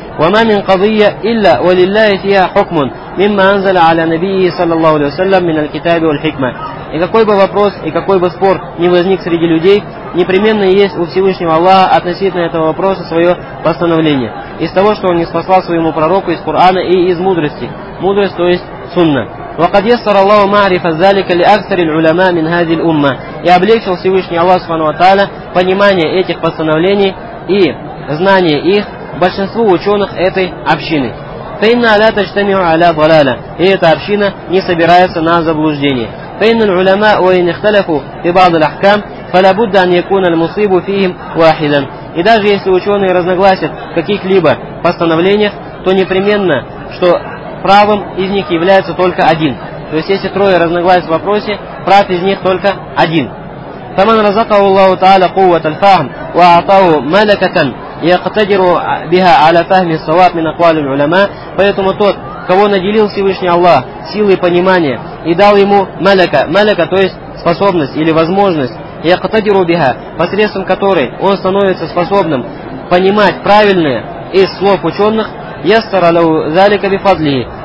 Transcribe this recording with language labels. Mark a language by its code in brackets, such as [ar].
[ar] وَمَا مِنْ قَضِيَّ إِلَّا وَلِلَّهِ فِيهَا حُكْمٌ مِمَّا أَنْزَلَ عَلَى نَبِيِّهِ صَلَّى اللَّهُ عَلَيْهِ وَسَلَّمَ مِنَ الْكِتَابِ وَالْحِكْمَةِ [ru] И какой бы вопрос и какой бы спор ни возник среди людей, непременно есть у Всевышнего Аллаха относительно этого вопроса свое постановление. Из того, что он ниспослал своему пророку из Корана и из мудрости. Мудрость, то есть сунна. [ar] وقد يسر الله معرفة ذلك لأكثر العلماء من هذه الأمة. [ru] И облегчил Всевышний Аллах Субхану ва Тааля понимание этих постановлений и знание их большинству ученых этой общины. [ar] فإنها لا تجتمع على ضلالة. [ru] И эта община не собирается на заблуждение. [ar] فإن العلماء وإن اختلفوا في بعض الأحكام فلابد أن يكون المصيب فيهم واحدا. [ru] И даже если ученые разногласят в каких-либо постановлениях, то непременно, что правым из них является только один. То есть, если трое разногласят в вопросе, прав из них только один. [ar] فمن رزقه الله تعالى قوة الفهم وأعطاه ملكة يقتدر بها على فهم الصواب من أقوال العلماء. [ru] Поэтому тот, кого наделил Всевышний Аллах силой понимания и дал ему ملكа, ملكа, то есть способность или возможность, [ar] يقتدر بها, [ru] посредством которой он становится способным понимать правильное из слов ученых, [ar] يسر له ذلك بفضله.